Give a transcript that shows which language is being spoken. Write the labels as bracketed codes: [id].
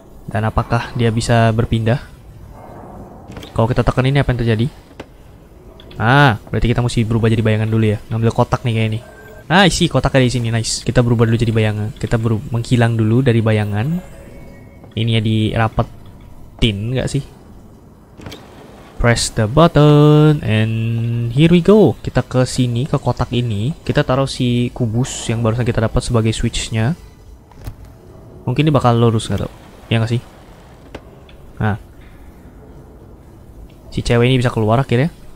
[id] Dan apakah dia bisa berpindah? Kalau kita tekan ini apa yang terjadi? Ah, berarti kita mesti berubah jadi bayangan dulu ya. Ngambil kotak nih kayaknya nih. Ah, isi kotaknya di sini, nice. Kita berubah dulu jadi bayangan. Kita menghilang dulu dari bayangan. Ini ya dirapetin nggak sih? [en] Press the button and here we go. [id] Kita ke sini, ke kotak ini. Kita taruh si kubus yang barusan kita dapat sebagai switch-nya. Mungkin ini bakal lurus nggak tau. Ya nggak sih? Nah. Si cewek ini bisa keluar akhirnya.